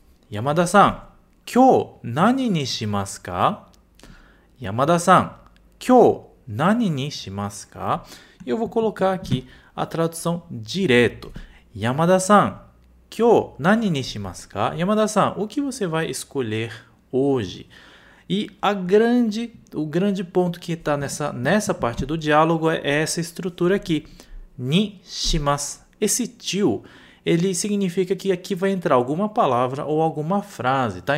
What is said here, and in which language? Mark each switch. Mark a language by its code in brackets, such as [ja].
[ja] Yamada-san, 今日何にしますか？ Yamada-san, 今日何にしますか？ [pt] Eu vou colocar aqui a tradução direto. [ja] Yamada-san, 今日何にしますか？ [pt] Yamada-san, o que você vai escolher hoje? E o grande ponto que está nessa parte do diálogo é essa estrutura aqui. Ni shimasu. Esse tio, ele significa que aqui vai entrar alguma palavra ou alguma frase, tá?